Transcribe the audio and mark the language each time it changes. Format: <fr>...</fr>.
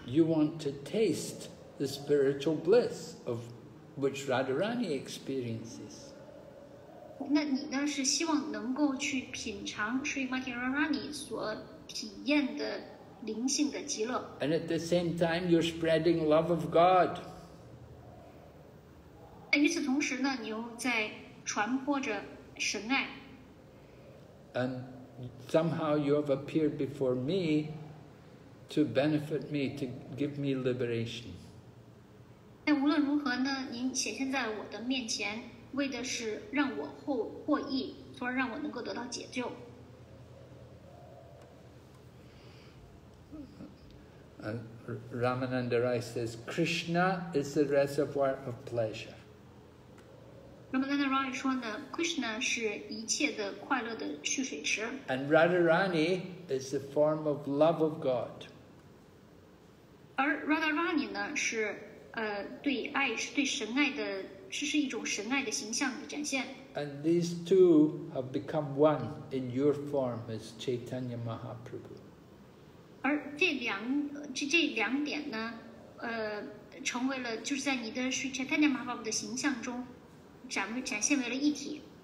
<en>You want to taste the spiritual bliss of which Radharani experiences.</en> <zh>那你呢是希望能够去品尝 Sri Madhyarani 所体验的灵性的极乐。</zh> <en>And at the same time, you're spreading love of God.</en> <zh>与此同时呢，你又在传播着神爱。</zh> <en>And somehow you have appeared before me to benefit me, to give me liberation.</en> <zh>但无论如何呢，您显现在我的面前。为的是让我获益，从而让我能够得到解救。</zh> <en>Ramananda Rai says, Krishna is the reservoir of pleasure.</en> <zh>Ramananda Rai 说呢 ，Krishna 是一切的快乐的蓄水池。</zh> <en>And Radharani is the form of love of God.</en> <zh>而 Radharani 呢是对爱是对神爱的。是一种神爱的形象的展现。</zh> <en>And these two have become one in your form as Chaitanya Mahaprabhu.</en> <zh>而这两点呢，成为了就是在你的 Sri Chaitanya Mahaprabhu 的形象中展现为了一体。</zh>